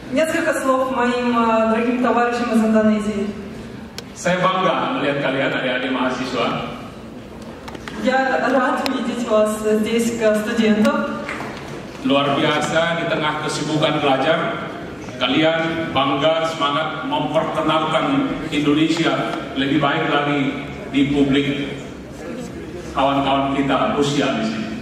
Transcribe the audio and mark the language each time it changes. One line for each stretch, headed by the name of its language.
Russian: Несколько слов моим дорогим товарищам из Индонезии.
Indonesian: Saya bangga melihat kalian adik-adik mahasiswa.
Russian: Я рад видеть вас здесь, как студентов.
Indonesian: Luar biasa di tengah kesibukan belajar, kalian bangga semangat memperkenalkan Indonesia lebih baik lagi di publik kawan-kawan kita Rusia di sini.